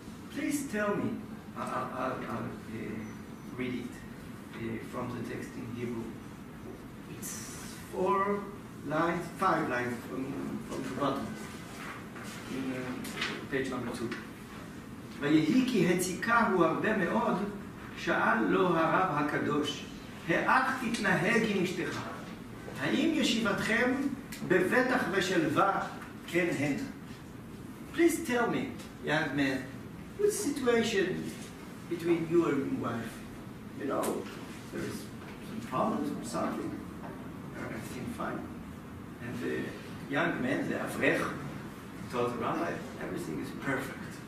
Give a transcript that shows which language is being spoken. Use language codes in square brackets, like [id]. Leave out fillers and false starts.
[en] Please tell me, I'll read it from the text in Hebrew. It's five lines from the bottom, in page number 2. [he] ויהי כי הציקהו הרבה מאוד, שאל לו הרב הקדוש, האח תתנהג עם אשתך, האם ישיבתכם בבטח ושלווה כן הן? [en] Please tell me, young man, what's the situation between you and your wife? You know, there is some problems or something. Everything fine. And the young man, the Avrech, told the rabbi, everything is perfect.